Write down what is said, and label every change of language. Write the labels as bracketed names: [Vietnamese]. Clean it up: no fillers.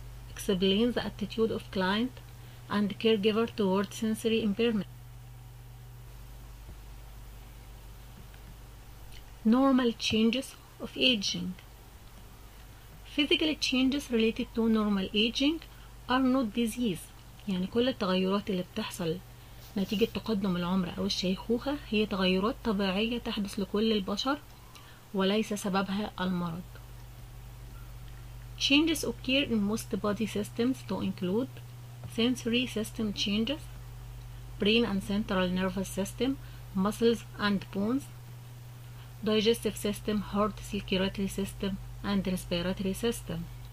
[English] Explain the attitude of client and caregiver toward sensory impairment. Normal changes of aging. Physical changes related to normal aging are not disease. [Arabic] يعني كل التغيرات اللي بتحصل نتيجة تقدم العمر أو الشيخوخة هي تغيرات طبيعية تحدث لكل البشر وليس سببها المرض. [English] Changes occur in most body systems to include sensory system changes, brain and central nervous system, muscles and bones, digestive system, heart, circulatory system, and respiratory system.